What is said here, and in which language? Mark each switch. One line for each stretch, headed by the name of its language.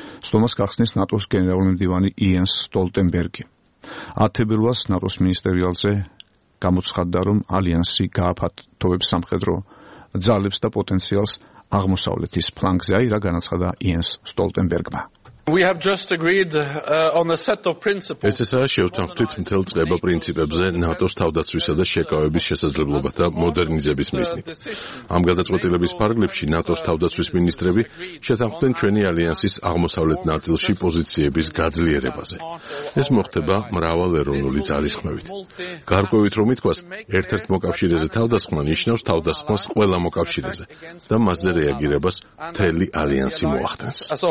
Georgian: ხდომას გახსნის ნატოს გენერალური მდივანი იენს სტოლტენბერგი. 10 თებერვალს ნატოს მინისტერიალზე გამოცხადდა, რომ ალიანსი გააფართოვებს სამხედრო ძალებს და პოტენციალს აღმოსავლეთის ფლანგზე, აი რა განაცხადა იენს სტოლტენბერგმა.
English: We have just agreed on a set of principles.
Georgian: ეს არის შეუთანხმებით მთელ წყება პრინციპებზე ნატოს თავდაცვისა და შეკავების შესაძლებლობათა მოდერნიზების მიზნით. ამ გადაწყვეტილების ფარგლებში ნატოს თავდაცვის მინისტრები შეთანხმდნენ ჩვენი ალიანსის აღმოსავლეთ ნაწილში პოზიციების გაძლიერებაზე. ეს მოხდება მრავალ ეროვნული ძალისხმევით. გარკვევით რომ ითქვას, ერთ-ერთ მოკავშირეზე თავდასხმა ნიშნავს თავდასხმას ყველა მოკავშირეზე და მასზე რეაგირებას მთელი ალიანსი მოახდენს.